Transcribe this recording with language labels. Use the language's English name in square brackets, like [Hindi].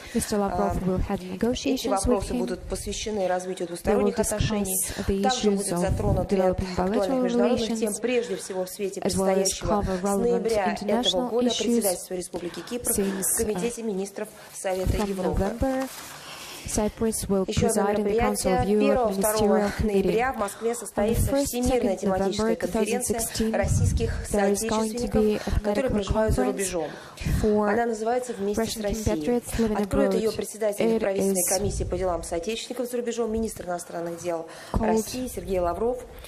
[Russian] Эти вопросы будут посвящены развитию двусторонних отношений. Также будут затронуты ряд актуальных международных тем, прежде всего в свете предстоящего с ноября этого года председательства Республики Кипр в Комитете министров Совета Европы. [English] Cyprus will preside in the Council of Europe Ministerial Committee. [Russian] В Москве состоится всемирная тематическая конференция российских соотечественников, которые проживают за рубежом. Она называется «Вместе с Россией». Откроет ее председатель правительственной комиссии по делам соотечественников за рубежом, министр иностранных дел России Сергей Лавров.